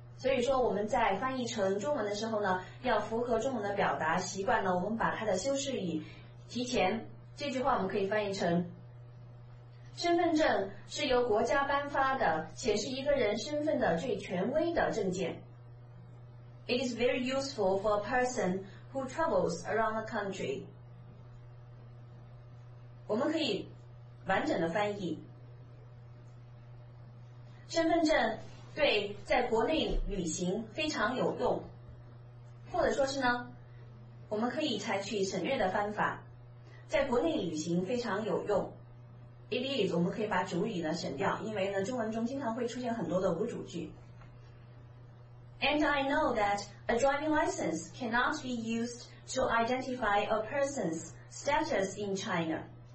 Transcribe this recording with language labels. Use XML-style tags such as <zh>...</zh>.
<zh>所以说我们在翻译成中文的时候呢，要符合中文的表达习惯呢，我们把它的修饰语提前，这句话我们可以翻译成身份证是由国家颁发的显示一个人身份的最权威的证件。</zh> <en>It is very useful for a person who travels around the country。</en> <zh>我们可以完整的翻译，身份证对在国内旅行非常有用，或者说是呢，我们可以采取省略的方法，在国内旅行非常有用。</zh> <en>It is，</en> <zh>我们可以把主语呢省掉，因为呢中文中经常会出现很多的无主句。</zh> <en>And I know that a driving license cannot be used to identify a person's status in China。</en>